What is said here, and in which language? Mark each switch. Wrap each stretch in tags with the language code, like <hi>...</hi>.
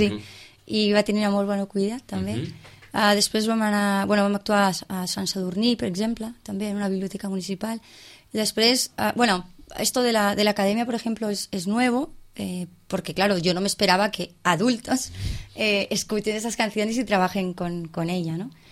<es>uh-huh. Y va a tener una muy buena cuida también. Uh-huh.</es> <ca>Després vam actuar a Sant Sadurní, per exemple, també en una biblioteca municipal. Després,</ca> <es>bueno, esto de la academia, por ejemplo, es nuevo, porque claro, yo no me esperaba que adultos escuchen esas canciones y trabajen con ella, ¿no?</es>